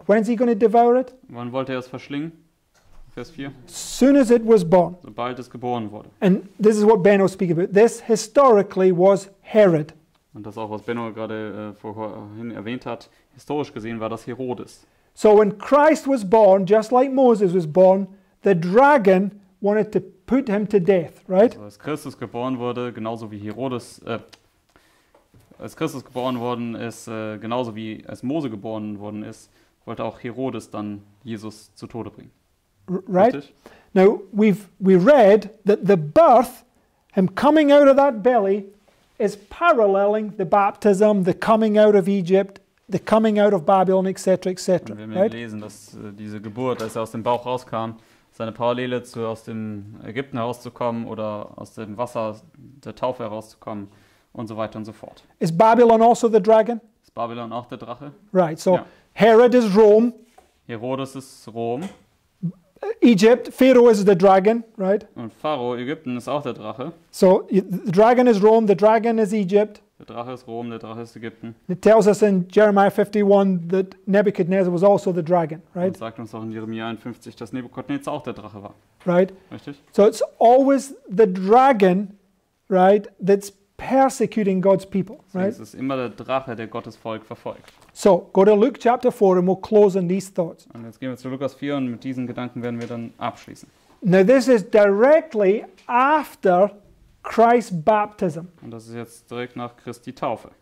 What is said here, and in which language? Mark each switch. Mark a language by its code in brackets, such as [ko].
[en] When's he going to devour it? [de] Wann wollte er es verschlingen? Vers 4. [en] Soon as it was born. [de] Sobald es geboren wurde. [en] And this is what Ben will speak about. This historically was Herod. [de] Und das auch, was Benno gerade vorhin erwähnt hat, historisch gesehen war das Herodes. [en] So when Christ was born, just like Moses was born, the dragon wanted to put him to death, right? [de] Also, als Christus geboren worden ist, genauso wie als Mose geboren worden ist, wollte auch Herodes dann Jesus zu Tode bringen. [en] Right? [de] Richtig? [en] Now we read that the birth, him coming out of that belly, is paralleling the baptism, the coming out of Egypt, the coming out of Babylon, etc., etc. [de] Wir haben [en] right? [de] gelesen, dass diese Geburt, als er aus dem Bauch rauskam, seine Parallele zu aus dem Ägypten herauszukommen oder aus dem Wasser der Taufe herauszukommen und so weiter und so fort. [en] Is Babylon also the dragon? [de] Ist Babylon auch der Drache? [en] Right. So ja. Herod is Rome. [de] Herodes ist Rom. [en] Egypt, Pharaoh is the dragon, right? [de] Und Pharao, Ägypten, ist auch der Drache. [en] So, the dragon is Rome, the dragon is Egypt. [de] Der Drache ist Rom, der Drache ist Ägypten. [en] It tells us in Jeremiah 51 that Nebuchadnezzar was also the dragon, right? [de] Und sagt uns auch in Jeremia 51, dass Nebuchadnezzar auch der Drache war. [en] Right? [de] Richtig? [en] So it's always the dragon, right, that's persecuting God's people, right? [de] Es ist immer der Drache, der Gottes Volk verfolgt. [en] So, go to Luke chapter 4 and we'll close on these thoughts. [de] Und jetzt gehen wir zu Lukas 4 und mit diesen Gedanken werden wir dann abschließen. [en] Now this is directly after Christ's baptism. [de] Und das ist jetzt direkt nach Christi Taufe.